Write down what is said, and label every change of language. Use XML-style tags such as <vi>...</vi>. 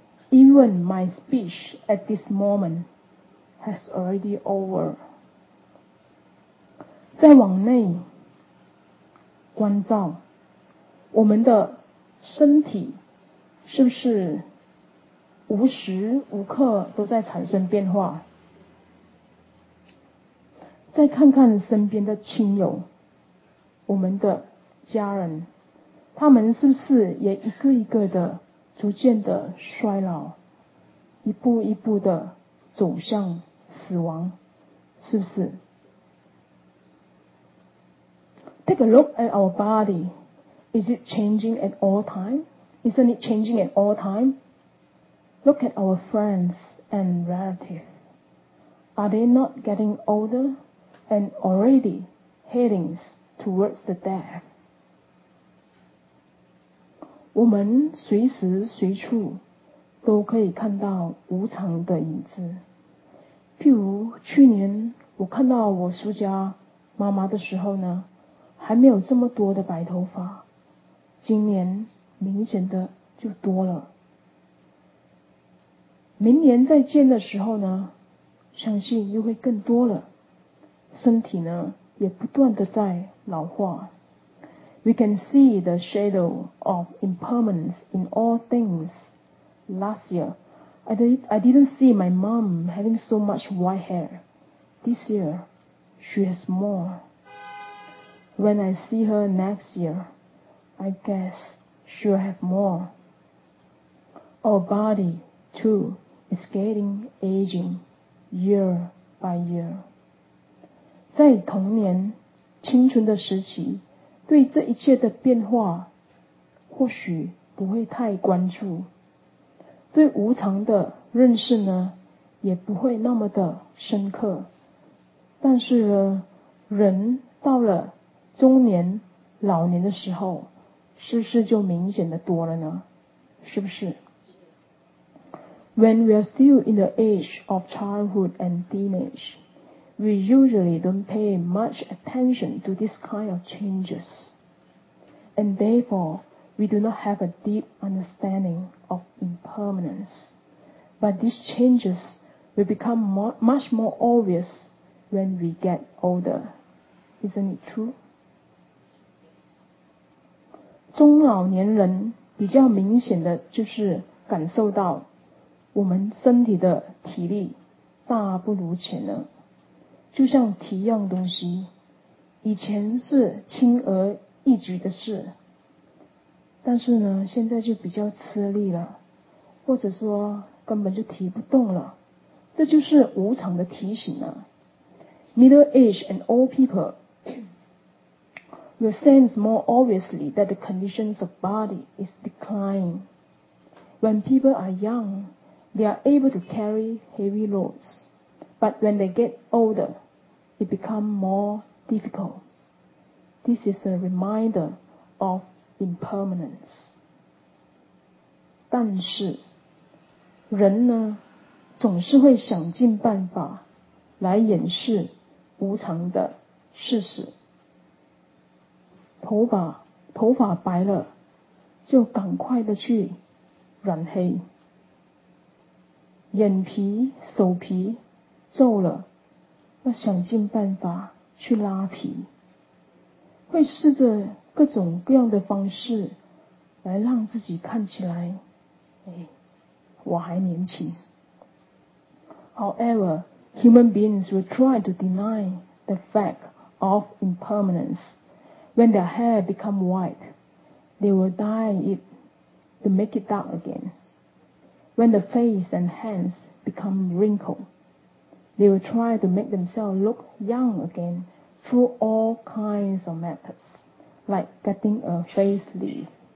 <en>Even my speech at this moment has already over.</en> <zh>再往内关照我们的身体是不是无时无刻都在产生变化？再看看身边的亲友，我们的家人，他们是不是也一个一个的逐渐的衰老，一步一步的走向死亡，是不是？</zh> <en>Take a look at our body. Is it changing at all time? Isn't it changing at all time? Look at our friends and relatives. Are they not getting older and already heading towards the death?</en> <zh>我们随时随处都可以看到无常的影子。譬如去年我看到我叔家妈妈的时候呢，还没有这么多的白头发。今年明显的就多了，明年再见的时候呢，相信又会更多了，身体呢也不断的在老化。</zh> <en>We can see the shadow of impermanence in all things. Last year, I didn't see my mom having so much white hair. This year, she has more. When I see her next year,I guess she'll have more. Our body, too, is getting aging year by year.</en> <zh>在童年青春的时期，对这一切的变化或许不会太关注，对无常的认识呢，也不会那么的深刻，但是人到了中年老年的时候，是不是就明显的多了呢？是不是？</zh> <en>When we are still in the age of childhood and teenage, we usually don't pay much attention to this kind of changes, and therefore we do not have a deep understanding of impermanence. But these changes will become much more obvious when we get older. Isn't it true?</en> <zh>中老年人比较明显的就是感受到我们身体的体力大不如前了，就像提一样东西，以前是轻而易举的事，但是呢现在就比较吃力了，或者说根本就提不动了，这就是无常的提醒了。</zh> <en>Middle age and old peoplewill sense more obviously that the conditions of body is declining. When people are young, they are able to carry heavy loads. But when they get older, it becomes more difficult. This is a reminder of impermanence.</en> <zh>但是人呢总是会想尽办法来掩饰无常的事实。头发白了就赶快的去染黑，眼皮手皮皱了要想尽办法去拉皮，会试着各种各样的方式来让自己看起来我还年轻。</zh> <en>However, human beings will try to deny the fact of impermanenceWhen their hair become white, they will dye it to make it dark again. When the face and hands become wrinkled, they will try to make themselves look young again through all kinds of methods, like getting a facelift.</en>